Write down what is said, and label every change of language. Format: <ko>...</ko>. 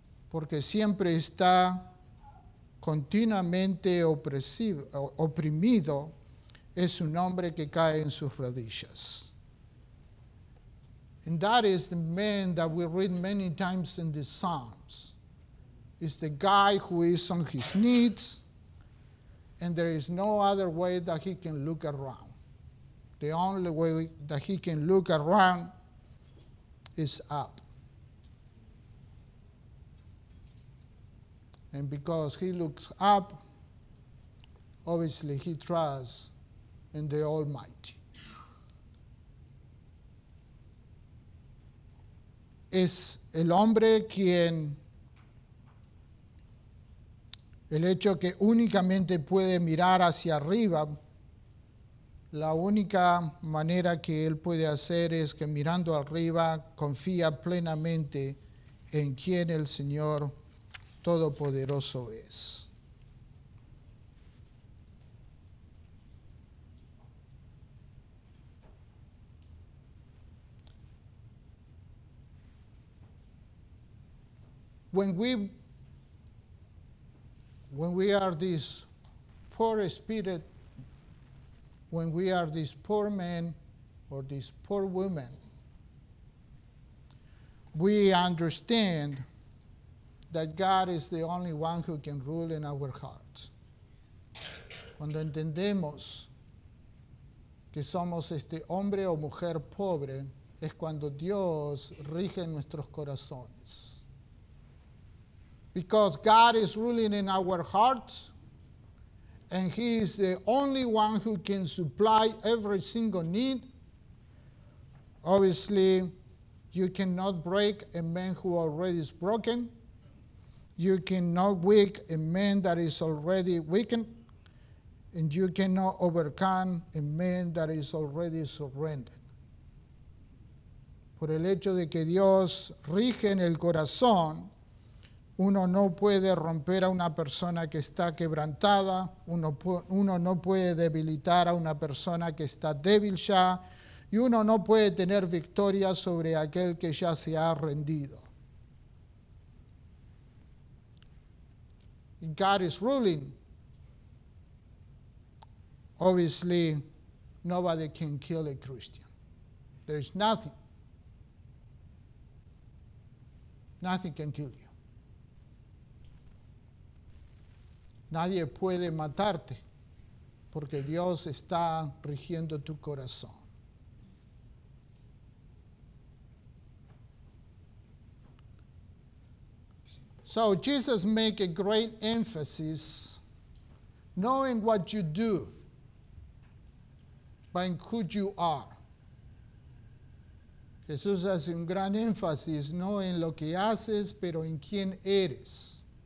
<es>Porque siempre está continuamente oprimido, es un hombre que cae en sus rodillas.</es> <en>And that is the man that we read many times in the Psalms. It's the guy who is on his knees, and there is no other way that he can look around. The only way that he can look around is up. And because he looks up, obviously he trusts in the Almighty.</en> <es>Es el hombre quien, el hecho que únicamente puede mirar hacia arriba, la única manera que él puede hacer es que mirando arriba confía plenamente en quien el Señor Todopoderoso es.</es> <en>When we are this poor spirit, when we are this poor man or this poor woman, we understand that God is the only one who can rule in our hearts.</en> <es>Cuando entendemos que somos este hombre o mujer pobre, es cuando Dios rige nuestros corazones.</es> <en>Because God is ruling in our hearts, and He is the only one who can supply every single need. Obviously, you cannot break a man who already is broken. You cannot weaken a man that is already weakened. And you cannot overcome a man that is already surrendered.</en> <es>Por el hecho de que Dios rige en el corazón, uno no puede romper a una persona que está quebrantada. Uno no puede debilitar a una persona que está débil ya. Y uno no puede tener victoria sobre aquel que ya se ha rendido.</es> <en>God is ruling. Obviously, nobody can kill a Christian. There is nothing. Nothing can kill you.</en> <es>Nadie puede matarte porque Dios está rigiendo tu corazón.</es> <en>So Jesus make a great emphasis knowing what you do by who you are.</en> <es>Jesús hace un gran énfasis no en lo que haces, pero en quién eres.</es>